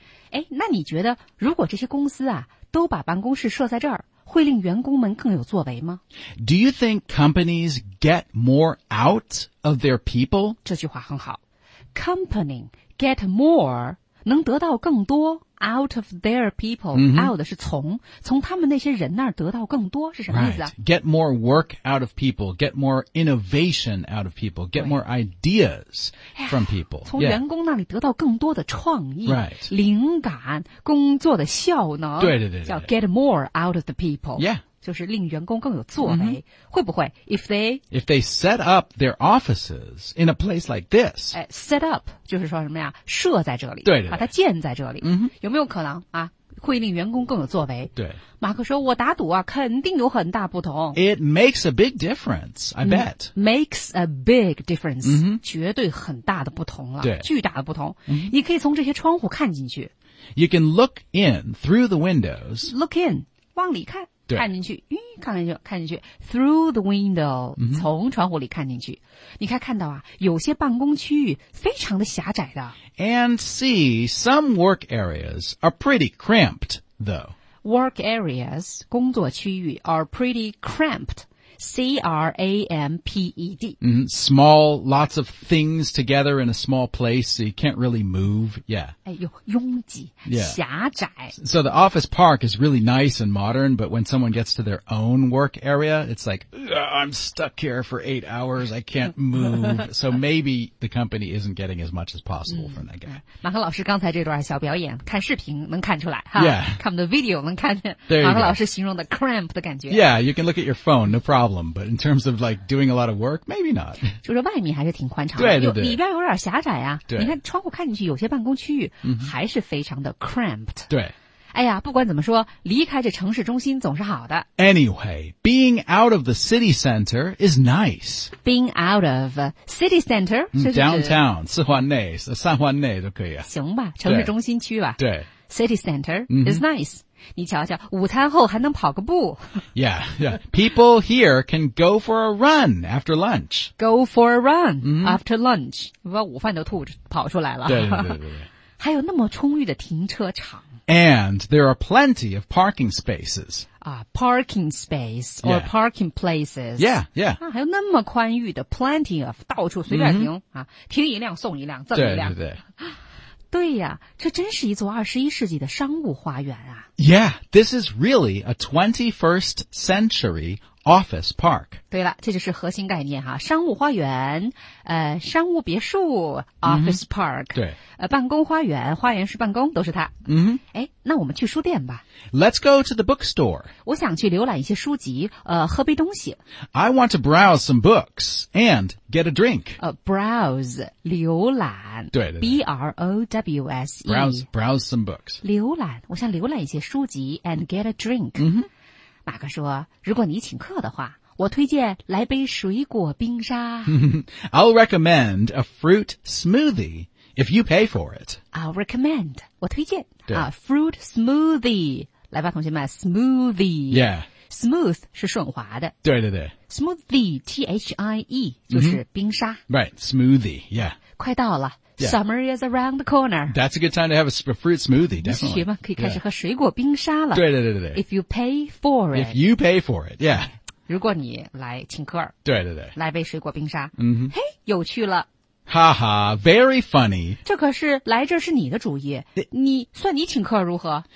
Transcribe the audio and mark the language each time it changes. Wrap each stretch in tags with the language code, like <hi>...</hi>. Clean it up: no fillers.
<zh>诶那你觉得如果这些公司啊都把办公室设在这儿会令员工们更有作为吗?</zh> <en>Do you think companies get more out of their people?</en> <zh>这句话很好。</zh> <en>Company get more,</en> <zh>能得到更多</zh> <en>out of their people,、 mm-hmm.</en> <zh>out 是从他们那些人那儿得到更多是什么意思啊?</zh> <en>Right. Get more work out of people, get more innovation out of people, get more ideas from people.</en> <zh>从员工那里得到更多的创意、</zh> <en>right.</en> <zh>灵感工作的效能对对 对, 对</zh> <en>叫 get more out of the people. Yeah.</en> <zh>就是令员工更有作为、mm-hmm. 会不会</zh> <en>If they set up their offices in a place like this</en> <zh>Set up 就是说什么呀设在这里对对对把它建在这里、 mm-hmm. 有没有可能啊会令员工更有作为对马克说我打赌啊肯定有很大不同</zh> <en>It makes a big difference I bet、 mm-hmm. Makes a big difference、 mm-hmm.</en> <zh>绝对很大的不同了对巨大的不同、 mm-hmm. 你可以从这些窗户看进去</zh> <en>You can look in through the windows Look in</en> <zh>往里看看进去，看进去 ，</zh> <en>through the window，、</en> <zh>嗯、从窗户里看进去，你看到啊，有些办公区域非常的狭窄的。</zh> <en>And see, some work areas are pretty cramped, though. Work areas</en> <zh>工作区域</zh> <en>are pretty cramped, C-R-A-M-P-E-D.、嗯、small, lots of things together in a small place, so you can't really move. Yeah.</en> <zh>哎呦，拥挤。</zh> <en>Yeah.</en> <zh>狭窄</zh> <en>So the office park is really nice and modern, but when someone gets to their own work area, it's like, I'm stuck here for 8 hours, I can't move. So maybe the company isn't getting as much as possible、from that guy.</en> <zh>马克老师刚才这段小表演看视频能看出来、huh?</zh> <en>Yeah.</en> <zh>看我们的 video 能看见</zh> <en>There you</en> <zh>马克老师形容的 cramp 的感觉</zh> <en>Yeah, you can look at your phone, no problem. But in terms of like doing a lot of work, maybe not.</en> <zh>就是外面还是挺宽敞的对对对里边有点狭窄啊对你看窗户看进去有些办公区域还是非常的 cramped 对哎呀不管怎么说离开这城市中心总是好的</zh> <en>Anyway, being out of the city center is nice Being out of city center、</en> <zh>就是、 Downtown, 四环内三环内都可以啊行吧城市中心区吧对, 对</zh> <en>City center is nice、mm-hmm.</en> <zh>你瞧瞧午餐后还能跑个步</zh> <en>Yeah, yeah People here can go for a run after lunch Go for a run、 mm-hmm. after lunch</en> <zh>把午饭都吐跑出来了对对对 对还有那么充裕的停车场。</zh> <en>And there are plenty of parking spaces. Parking space or、 yeah. parking places. Yeah, yeah.、</en> <zh>啊、还有那么宽裕的</zh> <en>plenty of,</en> <zh>到处随便停、mm-hmm. 啊停一辆送一辆赠一辆。对对对。对呀，这真是一座21世纪的商务花园啊。</zh> <en>Yeah, this is really a 21st century office park.</en> <zh>对了，这就是核心概念哈，商务花园，商务别墅</zh> <en>office park.</en> <zh>对。办公花园，花园是办公，都是它。哎，那我们去书店吧。</zh> <en>Let's go to the bookstore.</en> <zh>我想去浏览一些书籍，喝杯东西。</zh> <en>I want to browse some books and get a drink. Browse, 浏览。</en> <zh>对对对。</zh> <en>B-R-O-W-S-E. Browse some books.</en> <zh>浏览，我想浏览一些书籍</zh> <en>and get a drink.</en> <zh>马克说，如果你请客的话，我推荐来杯水果冰沙。</zh> <en>I'll recommend a fruit smoothie. If you pay for it. I'll recommend.</en> <zh>我推荐啊</zh> <en>,fruit smoothie.</en> <zh>来吧同学们 ,smoothie.</zh> <en>Yeah.</en> <zh>Smooth 是顺滑的。对对对。 Smoothie, T-H-I-E, 就是冰沙。</zh> <en>Right, smoothie, yeah.</en> <zh>快到了。</zh> <en>Yeah. Summer is around the corner. That's a good time to have a fruit smoothie, definitely.</en> <zh>学吧可以开始喝水果冰沙了。对对对对对。</zh> <en>If you pay for it. If you pay for it, yeah.</en> <zh>如果你来请客。对对对。来杯水果冰沙。嘿有趣了。</zh> <en>哈哈 ,very funny.</en> <zh>这可是来这是你的主意。你算你请客如何</zh>